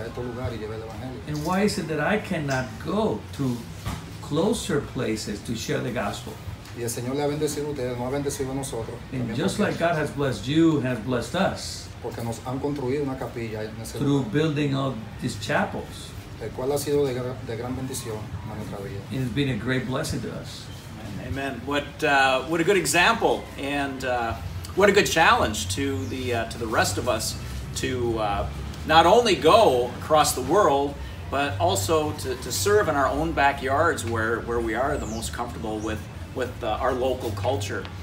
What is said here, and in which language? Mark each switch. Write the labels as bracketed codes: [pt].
[en] And why is it that I cannot go to closer places to share the gospel? [es] Y el Señor le ha bendecido a ustedes, no ha bendecido a nosotros. [en] And just like God has blessed you, has blessed us. [es] Porque nos han construido una capilla. [en] Through building of these chapels. [es] El cual ha sido de gran bendición a nuestra vida. [en] It has been a great blessing to us. Amen. What a good example and what a good challenge to the rest of us to not only go across the world, but also to serve in our own backyards where we are the most comfortable with our local culture.